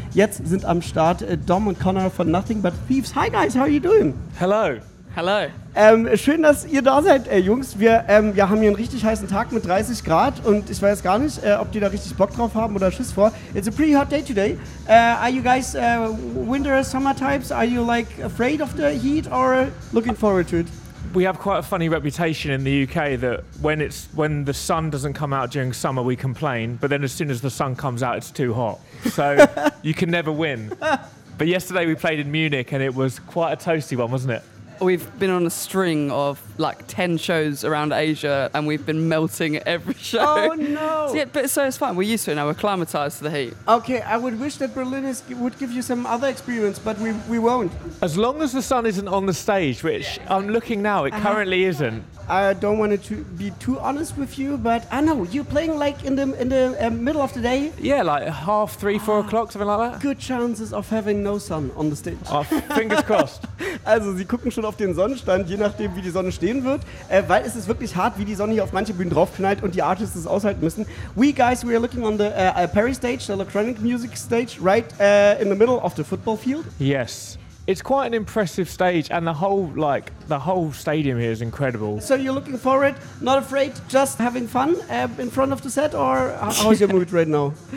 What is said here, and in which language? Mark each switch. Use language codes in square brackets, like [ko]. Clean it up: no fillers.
[de] Jetzt sind am Start Dom und Connor von Nothing But Thieves. [en] Hi guys, how are you doing? Hello. [de] Hallo. Schön, dass ihr da seid, Jungs. Wir haben hier einen richtig heißen Tag mit 30 Grad und ich weiß gar nicht, ob die da richtig Bock drauf haben oder Schiss vor. [en] It's a pretty hot day today. Are you guys winter or summer types? Are you like afraid of the heat or looking forward to it? We have quite a funny reputation in the UK that when the sun doesn't come out during summer, we complain. But then as soon as the sun comes out, it's too hot. So you can never win. But yesterday we played in Munich and it was quite a toasty one, wasn't it? We've been on a string of like 10 shows around Asia and we've been melting every show. Oh no! So, yeah, but so it's fine. We're used to it now. We're acclimatized to the heat. Okay, I would wish that Berlin would give you some other experience, but we won't. As long as the sun isn't on the stage, which I'm looking now, it currently isn't. I don't want to be too honest with you, but I know you're playing like in the middle of the day. Yeah, like half three, 4 o'clock, something like that. Good chances of having no sun on the stage. Oh, fingers crossed. [de] Also, sie gucken schon auf den Sonnenstand, je nachdem, wie die Sonne stehen wird, weil es ist wirklich hart, wie die Sonne hier auf manche Bühnen draufknallt und die Artists es aushalten müssen. [en] We are looking on the Paris stage, the electronic music stage, right in the middle of the football field. Yes. It's quite an impressive stage, and the whole stadium here is incredible. So you're looking forward, not afraid, just having fun in front of the set, or how's your mood right now?